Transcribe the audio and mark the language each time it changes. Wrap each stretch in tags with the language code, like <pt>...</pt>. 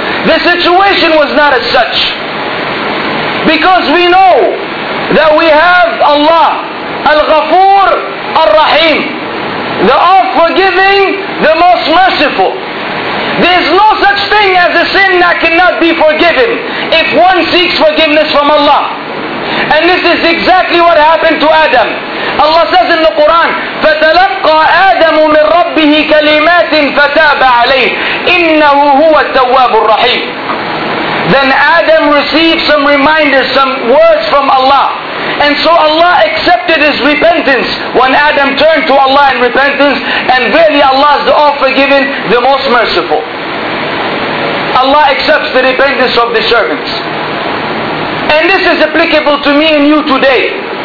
<en>The situation was not as such, because we know that we have Allah Al-Ghafoor Al-Rahim, the all-forgiving, the most merciful. There is no such thing as a sin that cannot be forgiven if one seeks forgiveness from Allah. And this is exactly what happened to Adam. Allah says in the Quran,</en> <ar>فَتَلَقَّى آدَمُ مِنْ رَبِّهِ كَلِمَاتٍ فَتَابَ عَلَيْهِ إِنَّهُ هُوَ التَّوَّابُ الرَّحِيمُ.</ar> <en>Then Adam received some reminders, some words from Allah. And so Allah accepted his repentance when Adam turned to Allah in repentance. And really, Allah is the all-forgiving, the most merciful. Allah accepts the repentance of the servants. And this is applicable to me and you today.</en>